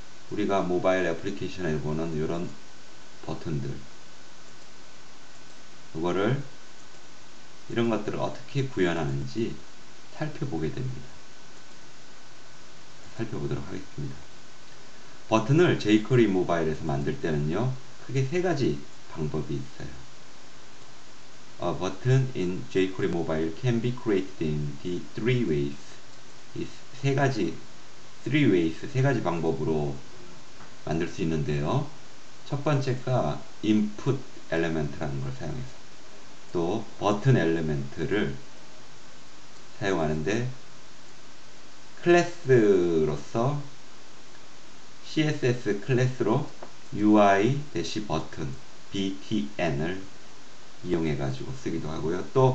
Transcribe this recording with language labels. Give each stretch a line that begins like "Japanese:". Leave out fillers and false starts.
Korean: 우리가 모바일 애플리케이션에 보는 이런 버튼들, 그거를 이런 것들을 어떻게 구현하는지 살펴보게 됩니다. 살펴보도록 하겠습니다. 버튼을 jQuery 모바일에서 만들 때는요, 크게 세 가지 방법이 있어요.
English: A button in jQuery mobile can be created in the three ways.
Korean: 이 세 가지,
English: three ways,
Korean: 세 가지 방법으로 만들 수 있는데요. 첫 번째가 input element라는 걸 사용해서. 또, button element를 사용하는데, class로서 CSS 클래스로 UI-button, btn을 이용해가지고 쓰기도 하고요.